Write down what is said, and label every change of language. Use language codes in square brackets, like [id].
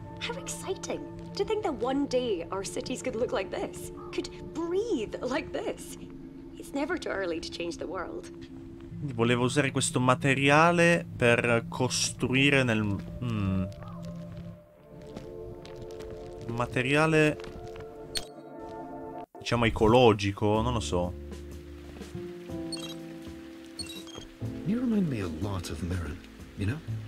[en] How exciting to think that one day our cities could look like this, could breathe like this. It's never too early to change the world. [it] Volevo usare questo materiale per costruire nel materiale, diciamo, ecologico, non lo so. [en] You remind me a lot of Mirren, you know?